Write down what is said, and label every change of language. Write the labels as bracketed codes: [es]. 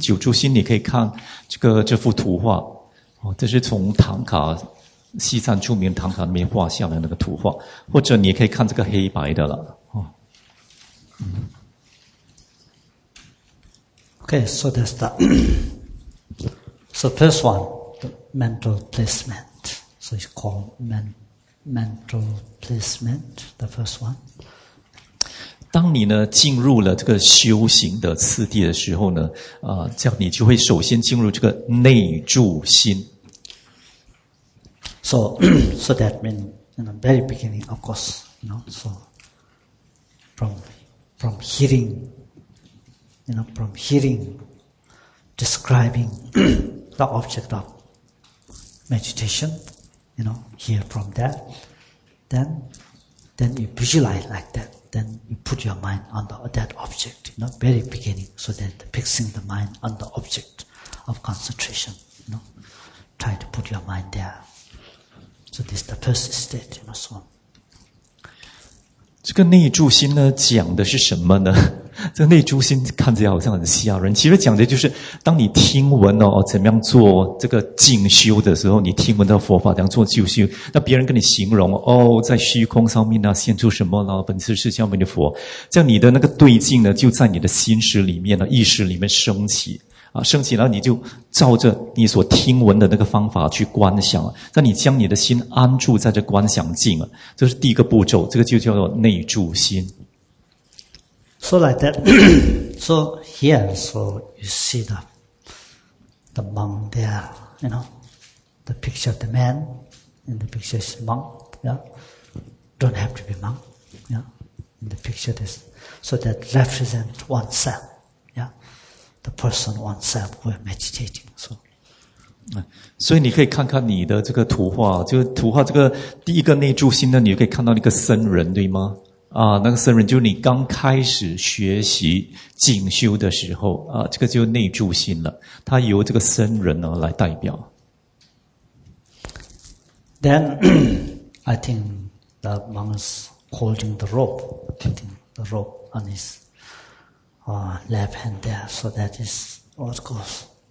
[zh] 九住心，你可以看这幅图画，这是从唐卡西藏著名唐卡里面画下的那个图画，或者你可以看这个黑白的了。哦、 [en] Okay, so that's the so first one, the mental placement. So it's called mental placement, the first one. [zh] 当你呢进入了这个修行的次第的时候呢，这样你就会首先进入这个内住心。 [en] So that means in the very beginning, of course, you know, so from hearing, you know, from hearing, describing the object of meditation, you know, hear from that, then you visualize like that, then you put your mind on that object, you know, very beginning, so that fixing the mind on the object of concentration, you know, try to put your mind there. So this is the first state, you know, so on. [zh] 这个内住心呢讲的是什么呢？这个内住心看起来好像很吓人，其实讲的就是当你听闻哦怎么样做这个静修的时候，你听闻到佛法怎样做静修，那别人跟你形容哦在虚空上面啊现出什么呢，本质是释迦牟尼佛，这样你的那个对境呢就在你的心识里面呢意识里面升起啊，升起，然后你就照着你所听闻的那个方法去观想，那你将你的心安住在这观想境，这是第一个步骤，这个就叫做内住心。 [en] So like that, so here, so you see the monk there, you know, the picture of the man, and the picture is monk, yeah, don't have to be monk, yeah, and the picture is, so that represent oneself. The person oneself who are meditating. So, [zh] 所以你可以看看你的这个图画，就是图画这个第一个内住心呢，你就可以看到那个僧人，对吗？啊，那个僧人就是你刚开始学习静修的时候啊，这个就内住心了。他由这个僧人呢来代表。 [en] Then, I think the monk is holding the rope, putting the rope on his. Left hand there, so that is what goes.